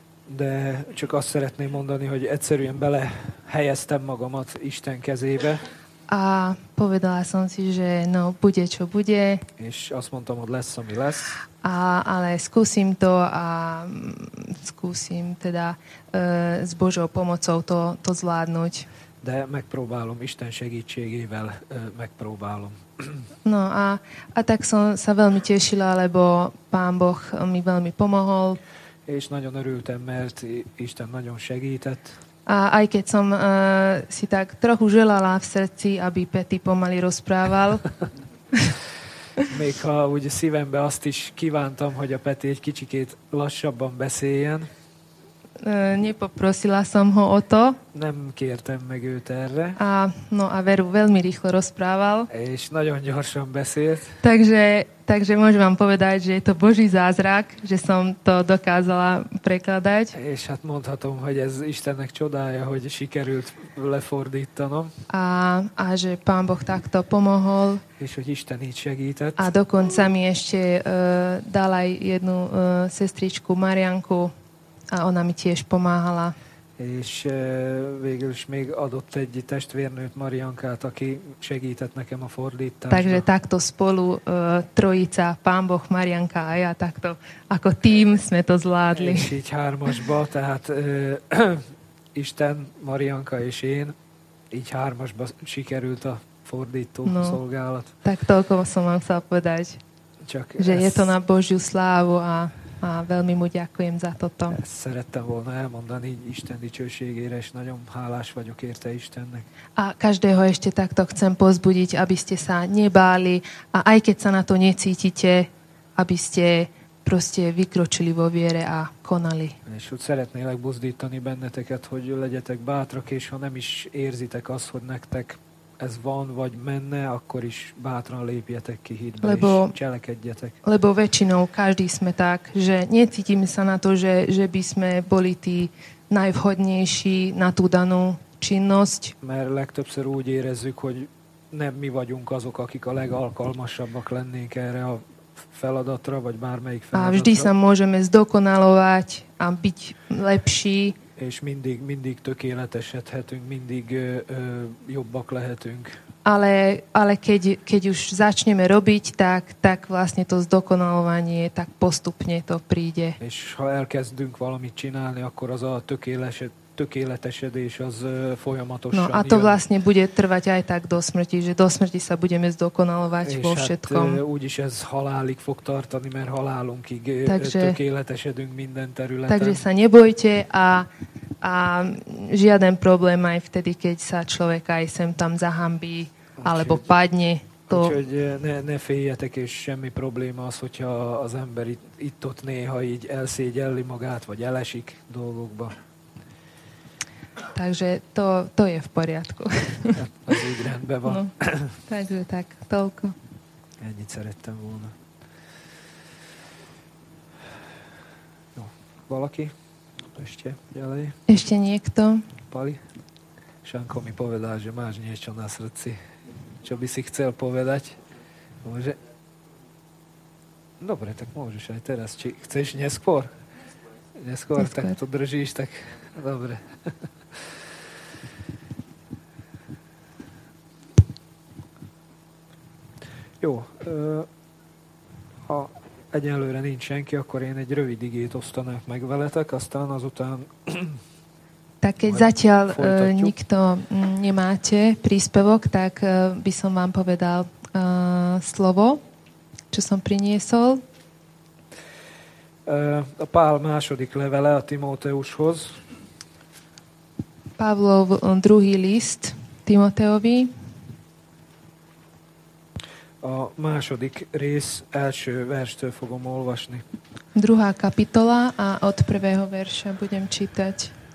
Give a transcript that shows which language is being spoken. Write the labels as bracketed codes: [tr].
[hu] De csak azt szeretném mondani, hogy egyszerűen bele helyeztem magamat Isten kezébe. [sk] A povedala som si, že no, bude, čo bude. [hu] És azt mondtam, hogy lesz, ami lesz. [sk] Ale skúsim to a skúsim teda s Božou pomocou to zvládnuť. [hu] De megpróbálom, Isten segítségével megpróbálom. [sk] No a tak som sa veľmi tešila, lebo Pán Boh mi veľmi pomohol. [hu] És nagyon örültem, mert Isten nagyon segített. [sk] A aj keď som si tak trochu želala v srdci, aby Peti pomaly rozprával. [hu] Még ha úgy szívembe azt is kívántam, hogy a Peti egy kicsikét lassabban beszéljen. [sk] Nepoprosila som ho o to. [hu] Nem kértem meg őt erre. [sk] A Veru veľmi rýchlo rozprával. [hu] És nagyon gyorsan beszélt. [sk] Takže môžem vám povedať, že je to Boží zázrak, že som to dokázala prekladať. [hu] És hát mondhatom, hogy ez Istennek csodája, hogy sikerült lefordítanom. [sk] A že Pán Boh takto pomohol. [hu] És hogy Isten így segített. [sk] A dokonca mi ešte dal aj jednu sestričku Marianku. A ona mi tiež pomáhala. [hu] És végül is még adott egy testvérnőt, Mariankát, aki segített nekem a fordításban. [sk] Takže takto spolu trojica, Pán Boh, Marianka a ja, takto ako tím sme to zvládli. [hu] És így hármasba, tehát Isten, Marianka és én, így hármasba sikerült a fordító szolgálat. [sk] Tak toľko som vám chcel povedať, csak že je to na Božiu slávu a... A veľmi mu ďakujem za toto. [hu] Ezt szerettem volna elmondani Isten dicsőségére, és nagyon hálás vagyok érte Istennek. [sk] A každého ešte takto chcem pozbudiť, aby ste sa nebáli a aj keď sa na to necítite, aby ste proste vykročili vo viere a konali. [hu] És úgy szeretnélek buzdítani benneteket, hogy legyetek bátrak, és ha nem is érzitek azt, hogy nektek ez van, vagy menne, akkor is bátran lépjetek ki hitbe, lebo, és cselekedjetek. [sk] Lebo väčšinou každý sme tak, že necítim sa na to, že by sme boli tí najvhodnejší na tú danú činnosť. [hu] Mert legtöbbször úgy érezzük, hogy nem mi vagyunk azok, akik a legalkalmasabbak lennénk erre a feladatra, vagy bármelyik feladatra. [sk] A vždy sa môžeme zdokonalovať a byť lepší. [hu] És mindig tökéletesedhetünk, mindig jobbak lehetünk. [sk] Ale keď už začneme robiť, tak vlastne to zdokonalovanie, tak postupne to príde. [hu] És ha elkezdünk valamit csinálni, akkor az a tökéletesedés az folyamatosan [sk] jön. No a to vlastne bude trvať aj tak do smrti, že do smrti sa budeme zdokonalovať vo všetkom. [hu] És úgyis ez halálig fog tartani, mert halálunkig tökéletesedünk minden területen. [sk] Takže sa nebojte a žiaden problém aj vtedy, keď sa človek aj sem tam zahambí alebo padne. [hu] Úgyhogy ne féljetek, és semmi probléma az, hogyha az ember itt-ott néha így elszégyelli magát, vagy elesik dolgokba. [sk] Takže to je v poriadku. [hu] Az úgy rendben van. No, [sk] takže tak, toľko. [hu] Ennyit szerettem volna. No, valaki? Ešte [sk] niekto? Pali? Šanko mi povedal, že máš niečo na srdci. Čo by si chcel povedať? Môže? Dobre, tak môžeš aj teraz. Či chceš neskôr? Neskôr, tak to držíš, tak dobre. [hu] Jó, ha egyelőre nincs senki, akkor én egy rövid igét osztanám meg veletek, aztán azután... [sk] Tak keď zatiaľ nikto nemáte príspevok, tak by som vám povedal slovo, čo som priniesol. [hu] A Pál második levele a Timóteushoz. [sk] Pavlov druhý list Timóteovi. [hu] A második rész első verstől fogom olvasni. [sk] Druhá kapitola a od prvého verša budem čítať.